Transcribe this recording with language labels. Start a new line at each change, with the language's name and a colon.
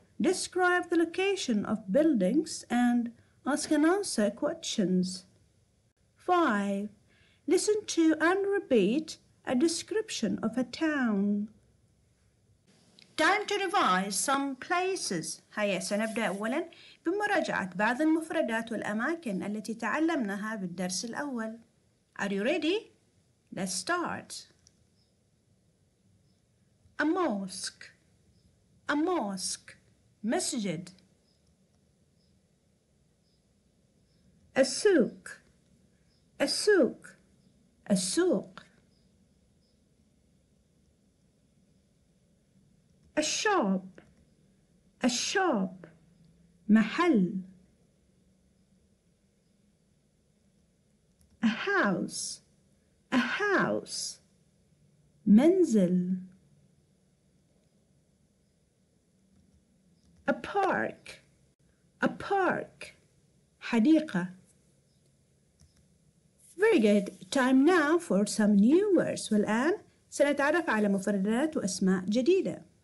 English: Describe the location of buildings and ask and answer questions. 5. Listen to and repeat a description of a town. Time to revise some places.
Arabic: هيا سنبدأ أولا بمراجعة بعض المفردات والأماكن التي تعلمناها بالدرس الأول.
English: Are you ready? Let's start. A mosque. A mosque. Masjid. A souk. A souk. A souk. A shop. A shop. Mahal. A house. A house. Menzil. A park. A park. Hadiqa. Very good. Time now for some new words.
Arabic: والآن سنتعرف على مفردات وأسماء جديدة.